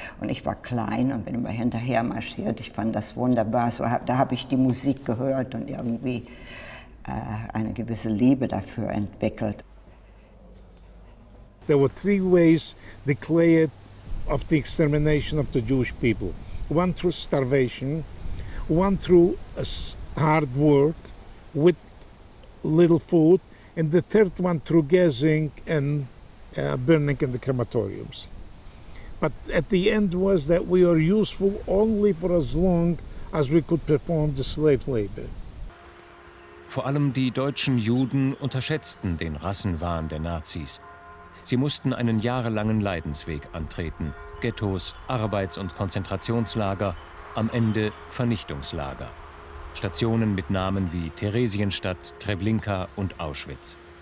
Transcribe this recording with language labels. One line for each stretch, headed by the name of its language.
German: Und ich war klein und bin immer hinterher marschiert. Ich fand das wunderbar. So, da habe ich die Musik gehört und irgendwie eine gewisse Liebe dafür entwickelt.
English: There were three ways declared of the extermination of the Jewish people. One through starvation, one through hard work with little food, and the third one through gassing and burning in the crematoriums. But at the end was that we are useful only for as long as we could perform the slave labor.
German: Vor allem die deutschen Juden unterschätzten den Rassenwahn der Nazis. Sie mussten einen jahrelangen Leidensweg antreten. Ghettos, Arbeits- und Konzentrationslager, am Ende Vernichtungslager. Stationen mit Namen wie Theresienstadt, Treblinka und Auschwitz.